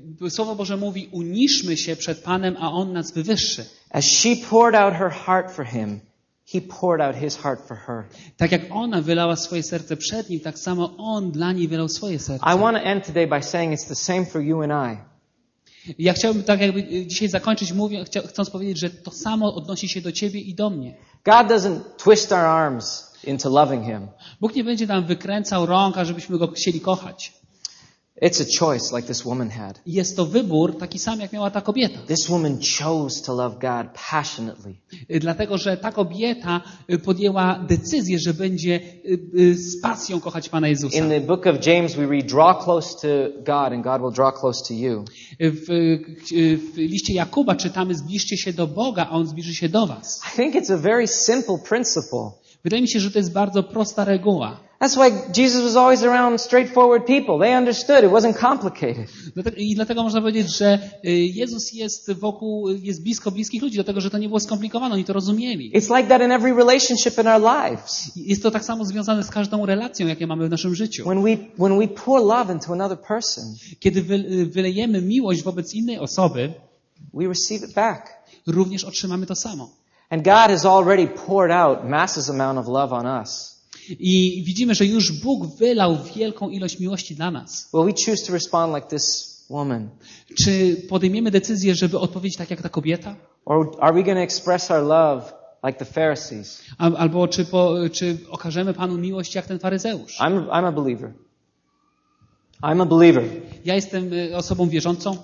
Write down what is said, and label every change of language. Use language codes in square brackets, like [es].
[pl] Słowo Boże mówi, uniżmy się przed Panem, a On nas wywyższy. [en] As she poured out her heart for him, he poured out his heart for her. [pl] Tak jak ona wylała swoje serce przed nim, tak samo on dla niej wylał swoje serce. [en] I want to end today by saying it's the same for you and I. [pl] Ja chciałbym tak jakby dzisiaj zakończyć chcąc powiedzieć, że to samo odnosi się do ciebie i do mnie. [en] God doesn't twist our arms into loving him. [pl] Bóg nie będzie nam wykręcał rąk, ażebyśmy go chcieli kochać. [en] It's a choice like this woman had. [pl] Jest to wybór taki sam jak miała ta kobieta. [en] This woman chose to love God passionately. [pl] Dlatego że ta kobieta podjęła decyzję, że będzie z pasją kochać Pana Jezusa. [en] In the book of James we read draw close to God and God will draw close to you. [pl] W liście Jakuba czytamy zbliżcie się do Boga, a on zbliży się do was. [en] I think it's a very simple principle. [pl] Wydaje mi się, że to jest bardzo prosta reguła. [en] That's why Jesus was always around straightforward people. They understood. It wasn't complicated. [pl] I dlatego można powiedzieć, że Jezus jest wokół, jest blisko bliskich ludzi, dlatego że to nie było skomplikowane, oni to rozumieli. [en] It's like that in every relationship in our lives. [pl] Jest to tak samo związane z każdą relacją, jaką mamy w naszym życiu. [en] When we pour love into another person, [pl] kiedy wylejemy miłość wobec innej osoby, [en] we receive it back. [pl] Również otrzymamy to samo. [en] And God has already poured out massive amount of love on us. [pl] I widzimy, że już Bóg wylał wielką ilość miłości dla nas. [en] Will we choose to respond like this woman? [pl] Czy podejmiemy decyzję, żeby odpowiedzieć tak jak ta kobieta? [en] Or are we going to express our love like the Pharisees? [pl] Albo czy okażemy Panu miłość jak ten faryzeusz? [en] I'm a believer. I'm a believer. [pl] Ja jestem osobą wierzącą.